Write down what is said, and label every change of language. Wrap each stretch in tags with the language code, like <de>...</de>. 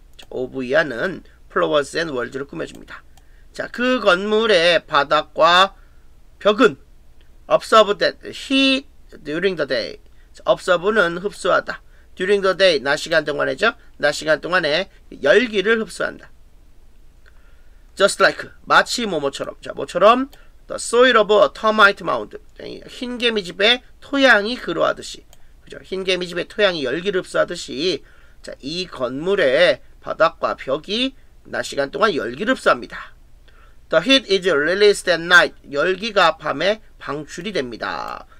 <ko>오브이아는 flowers and walls를 꾸며줍니다. 자, 그 건물의 바닥과 벽은</ko> <en>absorbed heat during the day.</en> <ko>absorb는 흡수하다. during the day, 낮 시간 동안에죠. 낮 시간 동안에 열기를 흡수한다. just like, 마치 뭐뭐처럼. 자, 뭐처럼</ko> <en>the soil of a termite mound.</en> <ko>흰 개미 집의 토양이 그러하듯이. 그죠? 흰 개미 집의 토양이 열기를 흡수하듯이. 자, 이 건물의 바닥과 벽이 낮 시간 동안 열기를 흡수합니다.</ko> <en>The heat is released at night.</en> <ko>열기가 밤에 방출이 됩니다.</ko>